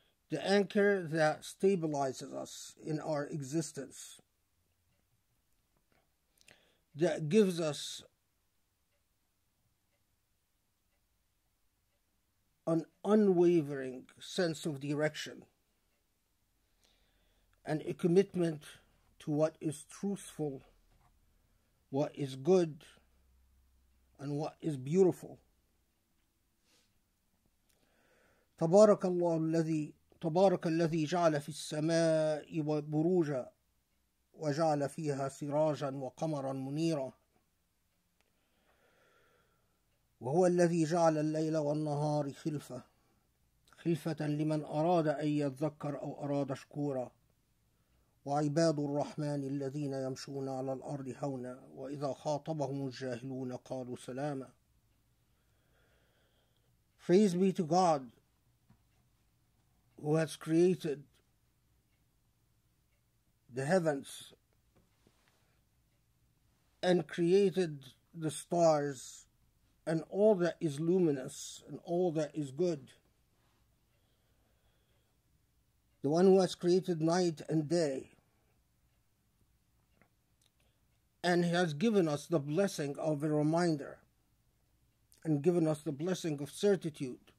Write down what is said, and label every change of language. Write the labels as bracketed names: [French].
[English] The anchor that stabilizes us in our existence, that gives us an unwavering sense of direction and a commitment to what is truthful, what is good, and what is beautiful. [Arabic] تبارك الله الذي تبارك الذي جعل في السماء بروجا وجعل فيها سراجا وقمرا منيرا وهو الذي جعل الليل والنهار خلفة لمن أراد أن يتذكر أو أراد شكورا وعباد الرحمن الذين يمشون على الأرض هونا وإذا خاطبهم الجاهلون قالوا سلاما [English] Praise be to God who has created the heavens and created the stars and all that is luminous and all that is good. The one who has created night and day and has given us the blessing of a reminder and given us the blessing of certitude.